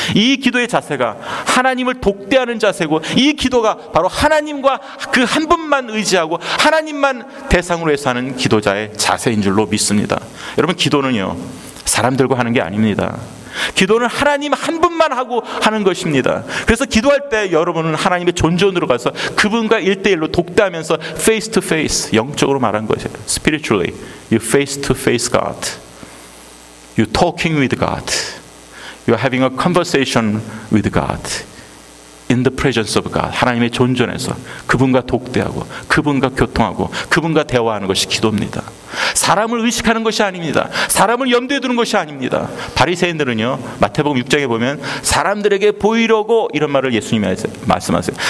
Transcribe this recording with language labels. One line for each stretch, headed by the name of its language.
Korean: 이 기도의 자세가 하나님을 독대하는 자세고 이 기도가 바로 하나님과 그 한 분만 의지하고 하나님만 대상으로 해서 하는 기도자의 자세인 줄로 믿습니다. 여러분 기도는요 사람들과 하는 게 아닙니다. 기도는 하나님 한 분만 하고 하는 것입니다. 그래서 기도할 때 여러분은 하나님의 존전으로 가서 그분과 1대1로 독대하면서
English: face to face,
Korean: 영적으로 말한 것이에요.
English: Spiritually, you face to face God. You talking with God. You are having a conversation with God. In the presence of God,
Korean: 하나님의 존전에서 그분과 독대하고 그분과 교통하고 그분과 대화하는 것이 기도입니다. 사람을 의식하는 것이 아닙니다. 사람을 염두에 두는 것이 아닙니다. 바리새인들은요, 마태복음 6장에 보면 사람들에게 보이려고, 이런 말을 예수님이 말씀하세요.